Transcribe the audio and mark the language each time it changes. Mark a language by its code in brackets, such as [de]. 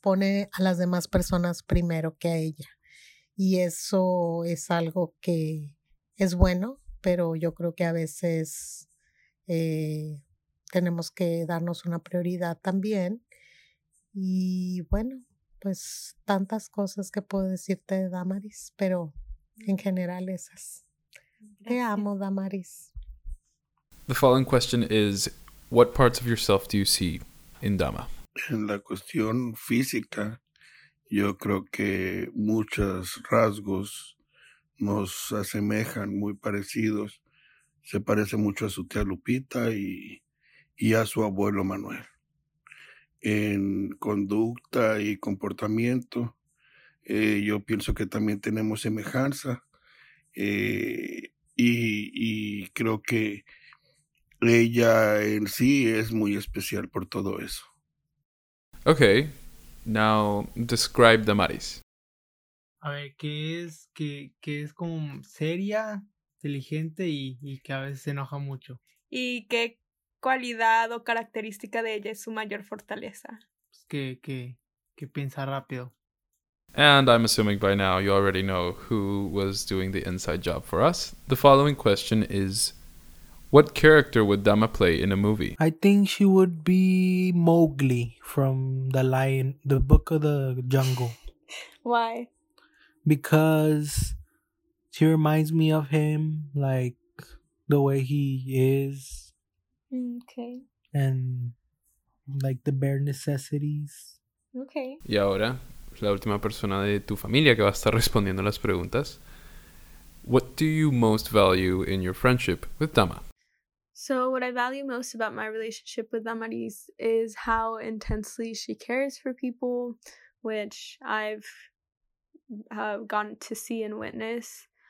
[es] Pone a las demás personas primero que a ella. Y eso es algo que es bueno, pero yo creo que a veces tenemos que darnos una prioridad también. Y bueno, pues tantas cosas que puedo decirte de Damaris, pero en general esas. Te amo, Damaris. [en] The following question is, what parts of yourself do you see in Dama? [es] En la cuestión física, yo creo que muchos rasgos nos asemejan muy parecidos. Se parece mucho a su tía Lupita y a su abuelo Manuel. En conducta y comportamiento, yo pienso que también tenemos semejanza. Y creo que ella en sí es muy especial por todo eso. [en] Okay, now describe Damaris. [es] A ver, ¿qué es como seria, inteligente y que a veces se enoja mucho? ¿Y qué cualidad o característica de ella es su mayor fortaleza? Pues que piensa rápido. [en] And I'm assuming by now you already know who was doing the inside job for us. The following question is, what character would Dama play in a movie? I think she would be Mowgli from The Lion, The Book of the Jungle. Why? Because she reminds me of him, like the way he is. Okay. And like the bare necesities. Okay. [es] Y ahora, la última persona de tu familia que va a estar respondiendo las preguntas. [en] What do you most value in your friendship with Dama? So what I value most about my relationship with Damaris is how intensely she cares for people, which I've gotten to see and witness.